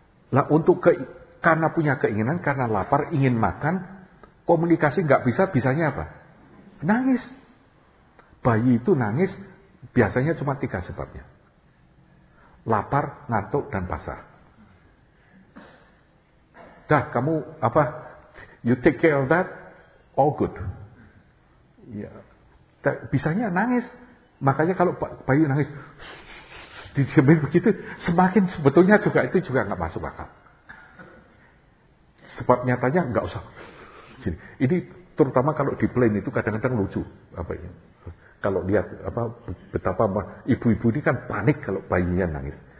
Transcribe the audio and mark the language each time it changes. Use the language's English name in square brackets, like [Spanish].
[Indonesian] Lah untuk karena punya keinginan, karena lapar, ingin makan, komunikasi enggak bisa, bisanya apa? Nangis. Bayi itu nangis, biasanya cuma tiga sebabnya. Lapar, ngantuk, dan basah. Dah kamu apa, [English] you take care of that, all good. [Indonesian] Ya, bisanya nangis. Makanya kalau bayi nangis, didiamin begitu, semakin sebetulnya juga itu juga enggak masuk akal. Sebab nyatanya enggak usah. Ini terutama kalau di plane itu kadang-kadang lucu. Kalau lihat betapa ibu-ibu ini kan panik kalau bayinya nangis.